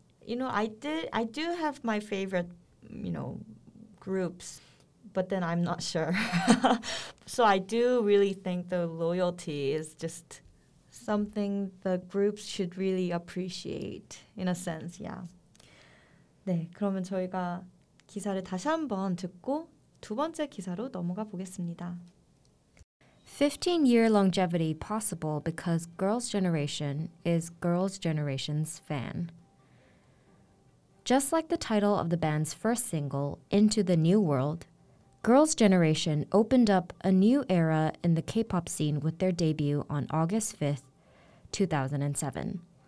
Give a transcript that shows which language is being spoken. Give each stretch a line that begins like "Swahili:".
English: I do have my favorite, you know, groups, but then I'm not sure. So I do really think the loyalty is just something the groups should really appreciate in a sense, yeah.
Korean: 네, 그러면 저희가 기사를 다시 한번 듣고 두 번째 기사로 넘어가 보겠습니다.
English: 15-year longevity possible because Girls' Generation is Girls' Generation's fan. Just like the title of the band's first single, Into the New World, Girls' Generation opened up a new era in the K-pop scene with their debut on August 5th, 2007.